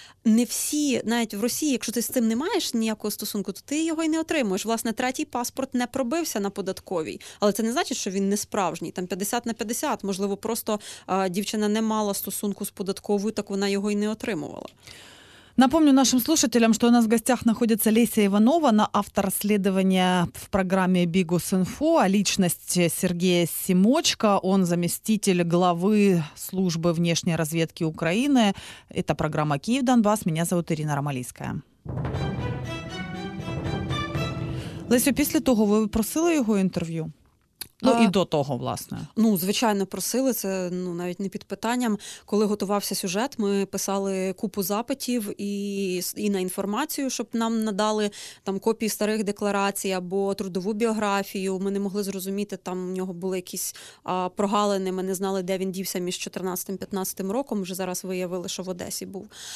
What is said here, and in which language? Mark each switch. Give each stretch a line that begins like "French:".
Ukrainian: Не всі, навіть в Росії, якщо ти з цим не маєш ніякого стосунку, то ти його й не отримуєш. Власне, третій паспорт не пробився на податковій. Але це не значить, що він не справжній. Там 50 на 50. Можливо, просто дівчина не мала стосунку з податковою, так вона його й не отримувала.
Russian: Напомню нашим слушателям, что у нас в гостях находится Леся Иванова, она автор расследования в программе «Бигос.Инфо», а личность Сергея Симочка, он заместитель главы службы внешней разведки Украины. Это программа «Киев-Донбасс». Меня зовут Ирина Ромалійська. Лесю, после того вы просили его интервью?
Ukrainian: Ну, і до того, власне. Ну, звичайно, просили, це навіть не під питанням. Коли готувався сюжет, ми писали купу запитів і на інформацію, щоб нам надали там копії старих декларацій або трудову біографію. Ми не могли зрозуміти, там у нього були якісь прогалини, ми не знали, де він дівся між 14-15 роком, вже зараз виявили, що в Одесі був.